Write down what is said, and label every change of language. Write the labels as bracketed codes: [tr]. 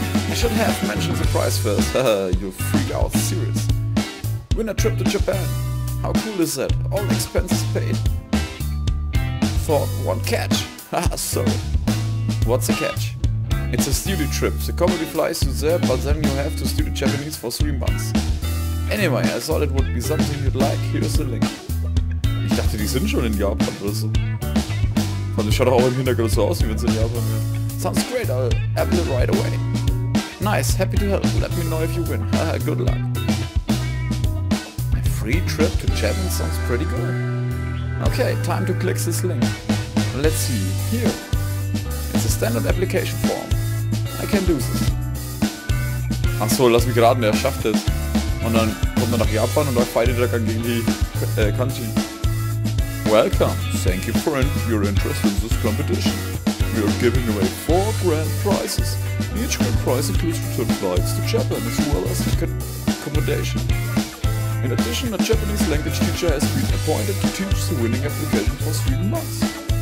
[en] I should have mentioned the prize first. Haha, you freak out, serious. Win a trip to Japan. How cool is that? All expenses paid. For one catch. Haha, so. What's the catch? It's a studio trip. The comedy flies you there, but then you have to study Japanese for 3 months. Anyway, I thought it would be something you'd like. Here's the link. [de] Ich dachte, die sind schon in Japan oder so. Und es schaut auch im Hintergrund so aus, wie wenn sie in Japan wären. [en] Sounds great, I'll apply it right away. Nice, happy to help. Let me know if you win. Haha, good luck. A free trip to Japan sounds pretty good. Okay, time to click this link. Let's see, here. It's a standard application form. I can do this. [de] Achso, lass mich raten, er schafft es. Und dann kommt er nach Japan und da fightet er gegen die Kanji. [en] Welcome. Thank you for your interest in this competition. We are giving away 4 grand prizes. Each grand prize includes return flights to Japan as well as accommodation. In addition, a Japanese language teacher has been appointed to teach the winning application for 3 months.